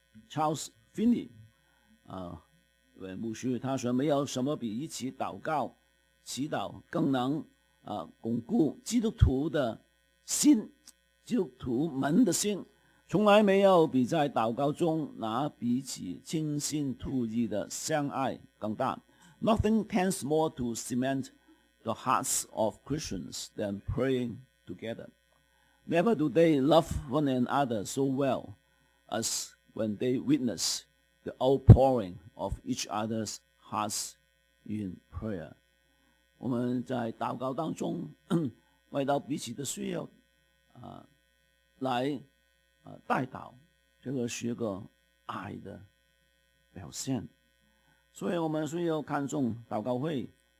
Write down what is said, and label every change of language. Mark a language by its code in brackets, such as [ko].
[zh] Charles Finney 啊，为牧师，他说没有什么比一起祷告祈祷更能巩固基督徒的心，基督徒们的心，从来没有比在祷告中拿彼此倾心吐意的相爱更大。 [en] Nothing tends more to cementThe hearts of Christians than praying together. Never do they love one another so well as when they witness the outpouring of each other's hearts in prayer. [zh] 我们在祷告当中为到彼此的需要来代祷，这个是一个爱的表现，所以我们需要看重祷告会